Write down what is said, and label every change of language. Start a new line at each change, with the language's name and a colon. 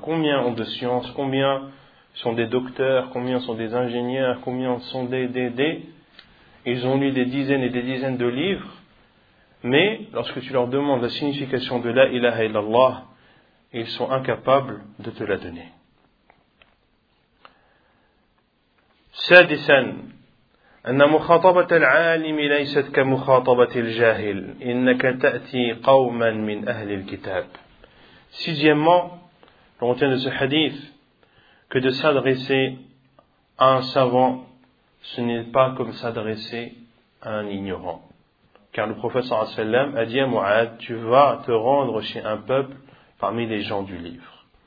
French: Combien ont de science, combien sont des docteurs, combien sont des ingénieurs, combien sont des... Ils ont lu des dizaines et des dizaines de livres, mais lorsque tu leur demandes la signification de la ilaha illallah, ils sont incapables de te la donner.
Arabic: سادسا أن مخاطبة العالم ليست كمخاطبة الجاهل إنك تأتي قوما من أهل الكتاب.
French: Sixièmement, on retient de ce hadith que de s'adresser à un savant, ce n'est pas comme s'adresser à un ignorant. Car le prophète sallam a dit à Mu'ad, tu vas te rendre chez un peuple parmi les gens du livre.